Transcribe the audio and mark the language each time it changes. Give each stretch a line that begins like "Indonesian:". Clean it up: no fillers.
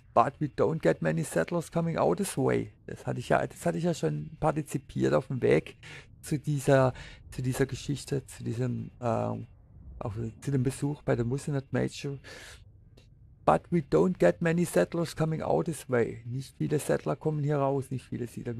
English: But we don't get many settlers coming out this way.
German: Das hatte ich ja schon partizipiert auf dem Weg zu dieser Geschichte, zu diesem auch zu dem Besuch bei der Wizard Mage.
English: But we don't get many settlers coming out this way.
German: Nicht viele Settler kommen hier raus, nicht viele Siedler.